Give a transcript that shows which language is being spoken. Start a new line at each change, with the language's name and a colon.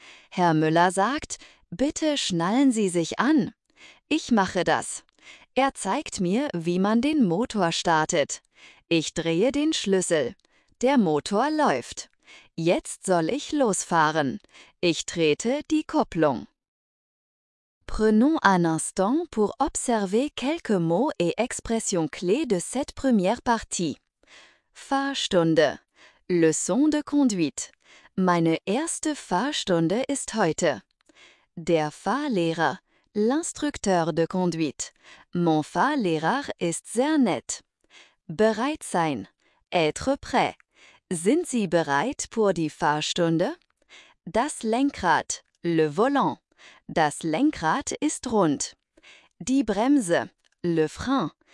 German: Herr Müller sagt, bitte schnallen Sie sich an. Ich mache das. Er zeigt mir, wie man den Motor startet. Ich drehe den Schlüssel. Der Motor läuft. Jetzt soll ich losfahren. Ich trete die Kupplung.
French: Prenons un instant pour observer quelques mots et expressions clés de cette première partie. Fahrstunde. Leçon de conduite.
German: Meine erste Fahrstunde ist heute. Der Fahrlehrer.
French: L'instructeur de conduite.
German: Mon Fahrlehrer ist sehr nett. Bereit sein.
French: Être prêt.
German: Sind Sie bereit pour die Fahrstunde? Das Lenkrad.
French: Le volant.
German: Das Lenkrad ist rund. Die Bremse.
French: Le frein.